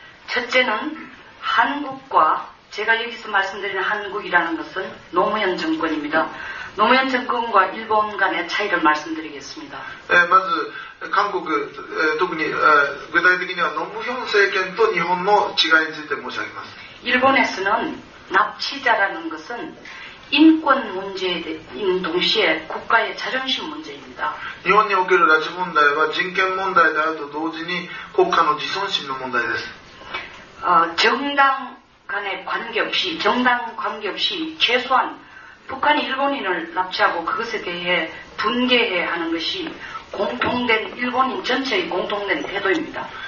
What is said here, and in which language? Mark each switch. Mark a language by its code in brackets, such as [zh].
[ko] 첫째는한국과제가여기서말씀드리는한국이라는것은노무현정권입니다노무현정권과일본간의차이를말씀드리겠습니다 [ja] まず韓国特に具体的には노무현政権と日本の違いについて申し上げます [ko] 일본에서는납치자라는것은인권문제인동시에국가의자존심문제입니다 [ja] 日本における拉致問題は人権問題であると同時に国家の自尊心の問題です [ko] 정당간의관계없이정당관계없이최소한북한이일본인을납치하고그것에대해분개해야하는것이공통된일본인전체의공통된태도입니다